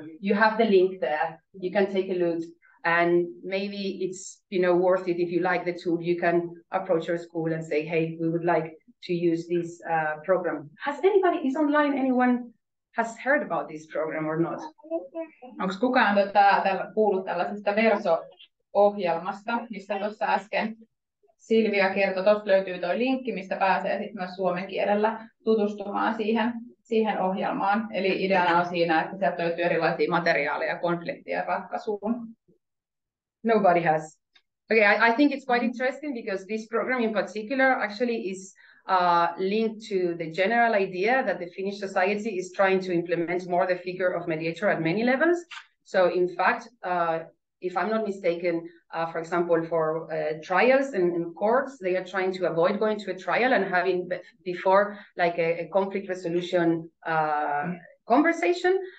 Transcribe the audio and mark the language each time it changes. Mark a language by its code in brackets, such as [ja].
[en] You have the link there, you can take a look, and maybe it's, you know, worth it. If you like the tool, you can approach your school and say, hey, we would like to use this program. Has anybody, is online anyone, has heard about this program or not? [fi] Onko kukaan kuullut tällaisesta Verso-ohjelmasta, mistä tuossa äsken Silvia kertoi, tuossa löytyy tuo linkki, mistä pääsee sitten myös suomen kielellä tutustumaan siihen ohjelmaan. Eli ideana on siinä, että sieltä löytyy erilaisia materiaaleja konfliktien ratkaisuun. [en] Nobody has. Okay, I think it's quite interesting because this program in particular actually is linked to the general idea that the Finnish society is trying to implement more the figure of mediator at many levels. So in fact, if I'm not mistaken, for example, for trials and in courts, they are trying to avoid going to a trial and having before like a conflict resolution conversation.